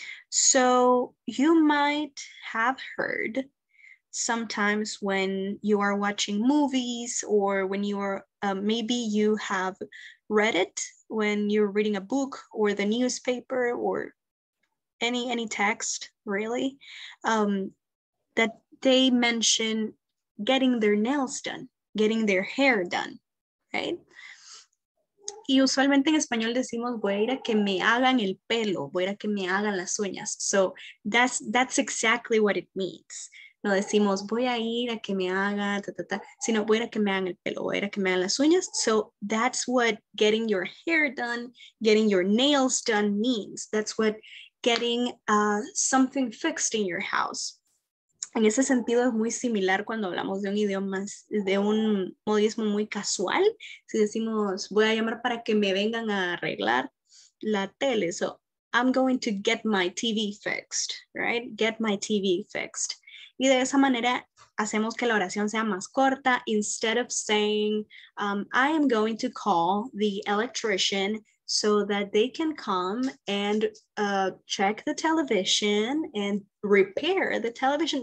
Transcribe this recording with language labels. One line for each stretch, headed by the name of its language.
English: So you might have heard sometimes when you are watching movies or when you are, maybe you have read it when you're reading a book or the newspaper or any text really, that they mention getting their nails done, getting their hair done, right?
Spanish: Y usualmente en español decimos voy a ir a que me hagan el pelo, voy a ir a que me hagan las uñas.
English: So that's exactly what it means.
Spanish: No decimos voy a ir a que me haga, ta, ta, ta, sino voy a ir a que me hagan el pelo, voy a ir a que me hagan las uñas.
English: So that's what getting your hair done, getting your nails done means. That's what getting something fixed in your house.
Spanish: En ese sentido es muy similar cuando hablamos de un idioma, de un modismo muy casual. Si decimos, voy a llamar para que me vengan a arreglar la tele. So,
English: I'm going to get my TV fixed, right? Get my TV fixed.
Spanish: Y de esa manera hacemos que la oración sea más corta.
English: Instead of saying, I am going to call the electrician so that they can come and check the television and repair the television.